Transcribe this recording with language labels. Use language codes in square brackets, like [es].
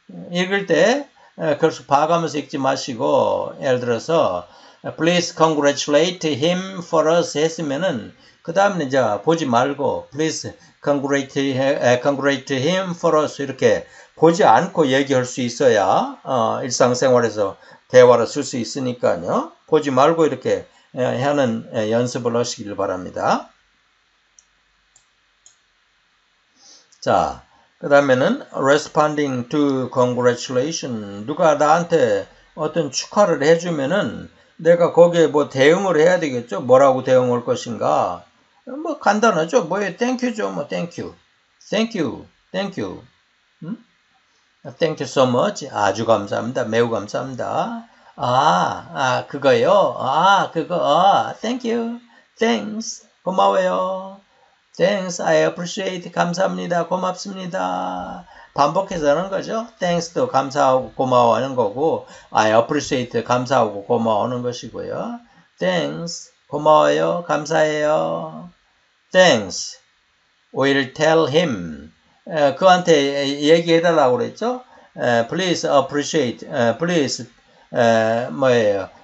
[ko] 읽을 때, 계속 봐가면서 읽지 마시고, 예를 들어서, [en] please congratulate him for us [ko] 했으면은, 그 다음에 이제 보지 말고, please congratulate him for us 이렇게 보지 않고 얘기할 수 있어야, 일상생활에서 대화를 쓸수 있으니까요. 보지 말고 이렇게 하는 연습을 하시길 바랍니다. 자. 그 다음에는 [en] responding to congratulation. [ko] 누가 나한테 어떤 축하를 해주면은 내가 거기에 뭐 대응을 해야 되겠죠? 뭐라고 대응할 것인가? 뭐 간단하죠? 뭐에 땡큐죠? 뭐 땡큐. 땡큐. 땡큐. 응? [en] Thank you so much. [ko] 아주 감사합니다. 매우 감사합니다. 그거요? 땡큐. [en] Thanks. [ko] 고마워요. [en] Thanks, I appreciate. [ko] 감사합니다. 고맙습니다. 반복해서 하는 거죠. Thanks도 감사하고 고마워하는 거고, [en] I appreciate [ko] 감사하고 고마워하는 것이고요. [en] Thanks, [ko] 고마워요. 감사해요. [en] Thanks, we'll tell him. [ko] 그한테 얘기해달라고 그랬죠. [en] Please appreciate, please, [ko] 뭐예요.